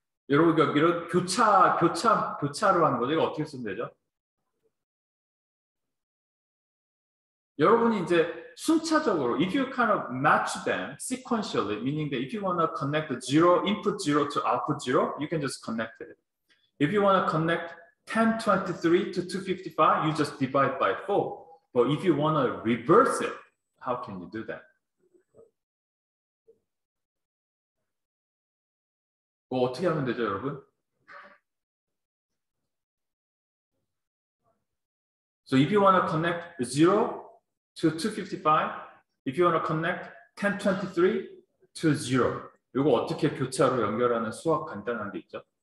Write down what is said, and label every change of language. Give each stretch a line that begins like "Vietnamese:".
Korean: 여러분 그 이런 교차로 한 거죠. 이거 어떻게 쓰면 되죠? 여러분이 이제 순차적으로
English: if you kind of match them sequentially, meaning that if you want to connect zero input zero to output zero, you can just connect it. If you want to connect 1023 to 255, you just divide by 4. But if you want to reverse it, how can you do that?
Korean: 뭐 어떻게 하면 되죠, 여러분?
English: So if you want to connect 0 to 255, if you want to connect 1023 to 0,
Korean: 이거 어떻게 교차로 연결하는 수학 간단한 게 있죠?